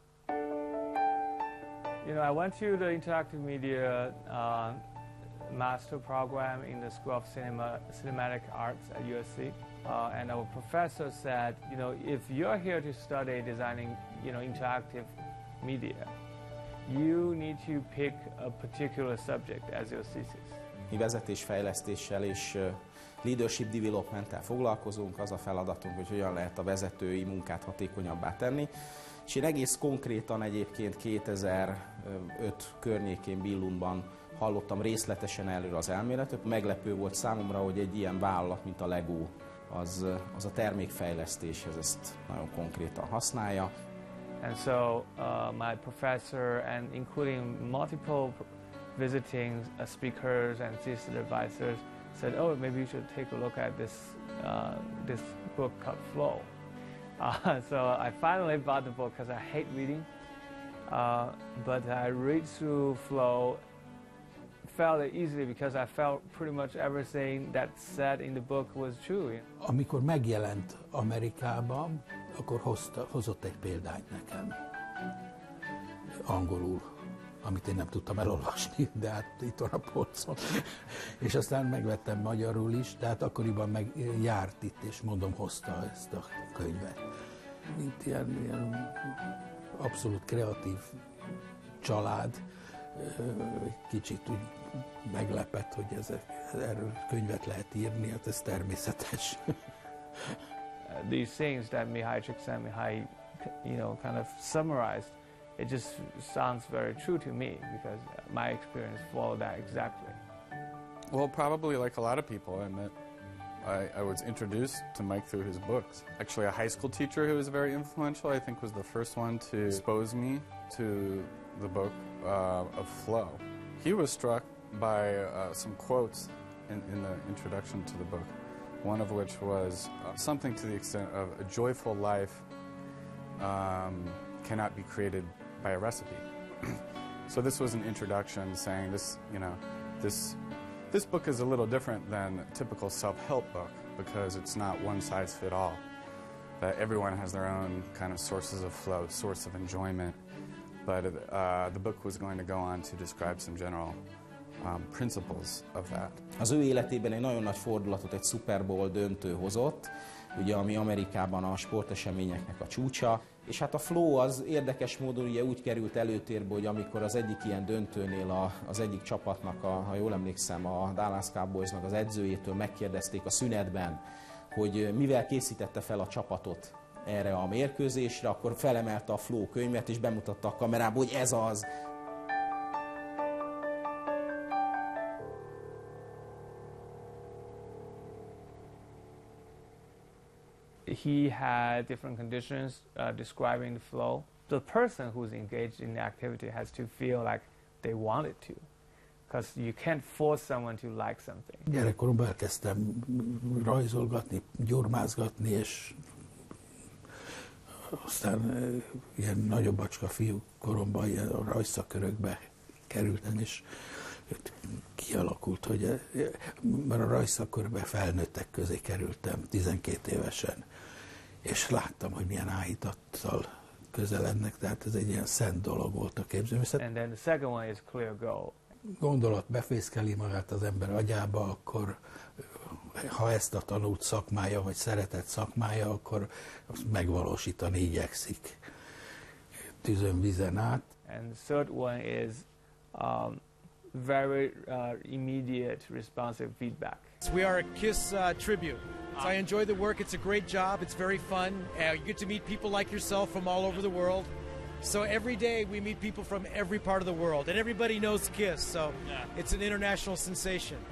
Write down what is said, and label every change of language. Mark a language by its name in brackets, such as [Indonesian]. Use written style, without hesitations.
[English] I went to the Interactive Media Master Program in the School of Cinematic Arts at USC. And our professor said, you know, if you're here to study designing, you know, interactive media, you need to pick a particular subject as your thesis. [Hungarian] Mi vezetésfejlesztéssel és leadership development-tel foglalkozunk, az a feladatunk, hogy hogyan lehet a vezetői munkát hatékonyabbá tenni. És én egész konkrétan egyébként 2005 környékén Billundban hallottam részletesen erről az elméletet. Meglepő volt számomra, hogy egy ilyen vállalat, mint a Lego, az a termékfejlesztéshez ezt nagyon konkrétan használja. [English] And so my professor, and including multiple visiting speakers and thesis advisors, said, oh, maybe you should take a look at this book called Flow. So I finally bought the book because I hate reading. But I read through Flow fairly easily because I felt pretty much everything that said in the book was true. [Hungarian] Amikor megjelent Amerikában, akkor hozott egy példányt nekem, angolul, amit én nem tudtam elolvasni, de hát itt van a polcon. És aztán megvettem magyarul is, de hát akkoriban meg járt itt, és mondom, hozta ezt a könyvet. Mint ilyen abszolút kreatív család, kicsit úgy meglepett, hogy erről könyvet lehet írni, hát ez természetes. [English] These things that Mihaly Csikszentmihalyi, you know, kind of summarized, it just sounds very true to me because my experience followed that exactly. Well, probably like a lot of people I met, I was introduced to Mike through his books. Actually, a high school teacher who was very influential, I think, was the first one to expose me to the book of Flow. He was struck by some quotes in the introduction to the book. One of which was something to the extent of a joyful life cannot be created by a recipe. So this was an introduction saying this, you know, this book is a little different than a typical self-help book because it's not one size fit all. That everyone has their own kind of sources of flow, source of enjoyment. But the book was going to go on to describe some general principles of that. [Hungarian] Az ő életében egy nagyon nagy fordulatot egy Super Bowl döntő hozott, ugye ami Amerikában a sporteseményeknek a csúcsa, és hát a flow az érdekes módon ugye úgy került előtérbe, hogy amikor az egyik ilyen döntőnél az egyik csapatnak, ha jól emlékszem, a Dallas Cowboysnak az edzőjétől megkérdezték a szünetben, hogy mivel készítette fel a csapatot erre a mérkőzésre, akkor felemelte a flow könyvet és bemutatta a kamerába, hogy ez az. [English] He had different conditions describing the flow. The person who's engaged in the activity has to feel like they want it to, because you can't force someone to like something. [Hungarian] Gyerekkoromban elkezdtem rajzolgatni, gyurmázgatni, és aztán ilyen nagyobb acska fiú koromban ilyen rajzszakörökbe kerültem, és kialakult, hogy mert a rajzszakörökbe felnőttek közé kerültem 12 évesen. És láttam, hogy milyen áhítattal közelednek, tehát ez egy ilyen szent dolog volt a képzőművészet. [English] And then the second one is clear goal. [Hungarian] Gondolat befészkeli magát az ember agyába, akkor ha ezt a tanult szakmája, vagy szeretett szakmája, akkor azt megvalósítani igyekszik tűzön vizen át. [English] And the third one is very immediate responsive feedback. We are a KISS tribute. So I enjoy the work. It's a great job. It's very fun. You get to meet people like yourself from all over the world. So every day we meet people from every part of the world. And everybody knows KISS, so it's an international sensation.